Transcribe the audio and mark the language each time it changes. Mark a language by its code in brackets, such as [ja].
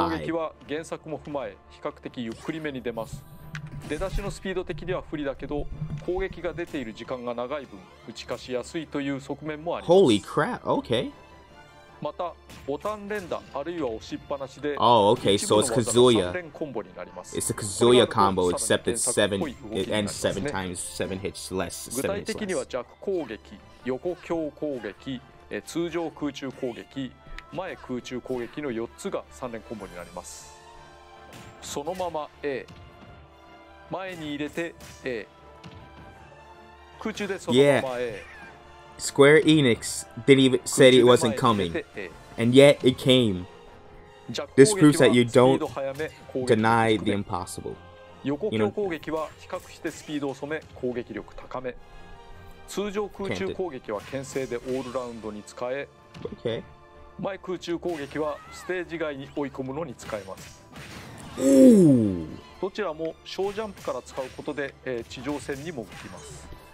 [ja] の攻撃は原作も踏まえ比較的ゆっくりめに出ます。出だしのスピード的には不利だけど攻撃が出ている時間が長い分打ち消しやすいという側面もあります。 [en] Holy crap. Okay. [ja] またボタン連打あるいは押しっぱなしで、 [en] Oh okay, so it's Kazuya. [ja] 3連コンボになります。 [en] It's a Kazuya combo except it's 7 It ends 7 times 7 hits less [ja] 具体的には弱攻撃、横強攻撃、通常空中攻撃、前空中攻撃の4つが3連コンボになります。そのまま A 前に入れて A 空中でそのまま A、 [en] yeah. Square Enix didn't even say it wasn't coming and yet it came. This proves that you don't deny the impossible. [ja] 横強攻撃は比較してスピードを染め攻撃力高め、通常空中攻撃は牽制でオールラウンドに使え、 [en] okay. [ja] 前空中攻撃はステージ外に追い込むのに使えます。どちらも小ジャンプから使うことで、地上戦にも向きます。